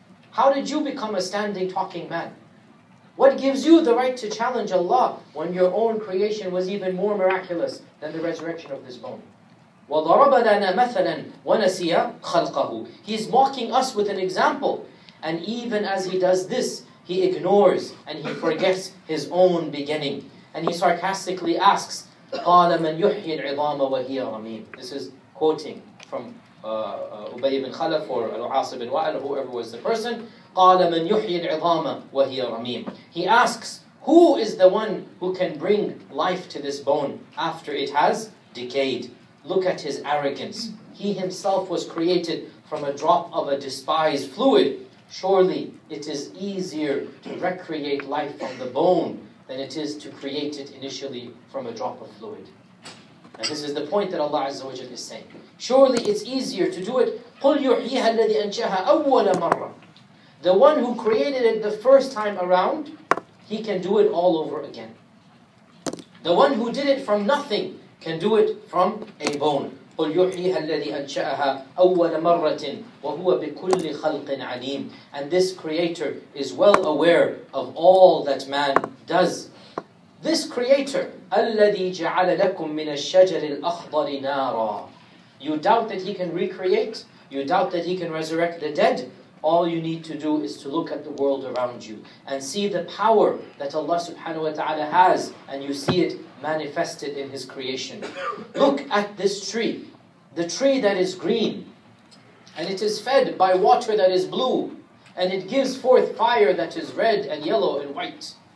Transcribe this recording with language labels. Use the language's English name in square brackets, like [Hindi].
[English] How did you become a standing talking man? What gives you the right to challenge Allah when your own creation was even more miraculous than the resurrection of this bone? [Arabic] وَضَرَبَ لَنَا مَثَلًا وَنَسِيَ خَلْقَهُ. [English] He's mocking us with an example. And even as he does this, he ignores and he forgets his own beginning. And he sarcastically asks, [Arabic] قَالَ مَنْ يُحْيِي الْعِظَامَ وَهِيَ رَمِيمٌ. [English] This is quoting from Ubay ibn Khalaf or Al-As ibn Wa'al, whoever was the person. [Arabic] قَالَ مَنْ يُحْيِي الْعِظَامَ وَهِيَ رَمِيمٌ. [English] He asks, who is the one who can bring life to this bone after it has decayed? Look at his arrogance. He himself was created from a drop of a despised fluid. Surely it is easier to recreate life from the bone than it is to create it initially from a drop of fluid. And this is the point that Allah Azza wa Jalla is saying. Surely it's easier to do it. [Arabic] قُلْ يُحْيِيهَا الَّذِي أَنْشَهَا أَوَّلَ مَرَّةً. [English] The one who created it the first time around, he can do it all over again. The one who did it from nothing can do it from a bone. [Arabic] قُلْ يُحْيِيهَا الَّذِي أَنْشَأَهَا أَوَّلَ مَرَّةٍ وَهُوَ بِكُلِّ خَلْقٍ عَلِيمٍ. [English] And this creator is well aware of all that man does. This creator, [Arabic] الَّذِي جَعَلَ لَكُم مِّنَ الشَّجَرِ الْأَخْضَرِ نَارًا. [English] You doubt that he can recreate? You doubt that he can resurrect the dead? All you need to do is to look at the world around you and see the power that Allah subhanahu wa ta'ala has, and you see it manifested in his creation. Look at this tree, the tree that is green, and it is fed by water that is blue, and it gives forth fire that is red and yellow and white.